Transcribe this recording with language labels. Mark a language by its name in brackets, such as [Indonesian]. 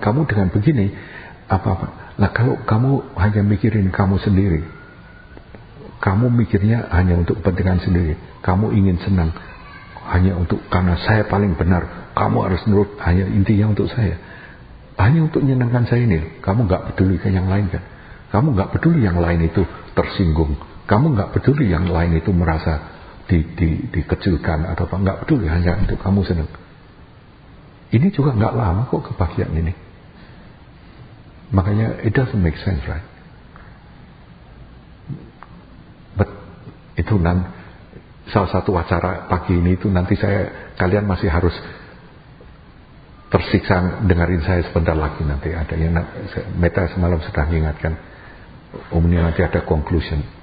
[Indonesian] Kamu dengan begini, apa-apa. Nah kalau kamu hanya mikirin kamu sendiri, kamu mikirnya hanya untuk kepentingan sendiri, kamu ingin senang hanya untuk karena saya paling benar, kamu harus nurut hanya intinya untuk saya, hanya untuk menyenangkan saya ini. Kamu gak peduli ke yang lain kan? Kamu gak peduli yang lain itu tersinggung. Kamu gak peduli yang lain itu merasa dikecilkan atau apa. Gak peduli, hanya untuk kamu senang. Ini juga gak lama kok kebahagiaan ini. Makanya [English] it doesn't make sense, right? [Indonesian] But itu nanti salah satu acara pagi ini itu nanti saya, kalian masih harus tersiksa dengerin saya sebentar lagi nanti ada yang Meta semalam sudah mengingatkan umumnya nanti ada conclusion.